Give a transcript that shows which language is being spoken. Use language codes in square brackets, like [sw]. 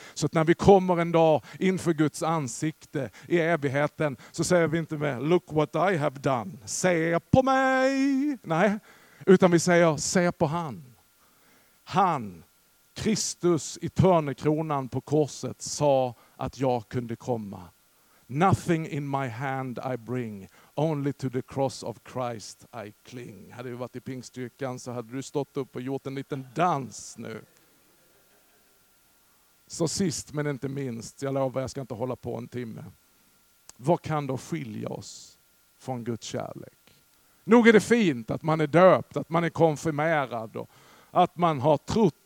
[sv] Så att när vi kommer en dag inför Guds ansikte i evigheten så säger vi inte med [en] look what I have done. [sv] Se på mig. Nej. Utan vi säger se på han. Han, Kristus i törnekronan på korset sa att jag kunde komma. [en] Nothing in my hand I bring, only to the cross of Christ I cling. [sv] Hade du varit i pingstkyrkan så hade du stått upp och gjort en liten dans nu. Så sist men inte minst, jag lovar jag ska inte hålla på en timme. Vad kan då skilja oss från Guds kärlek? Nog är det fint att man är döpt, att man är konfirmerad och att man har trott.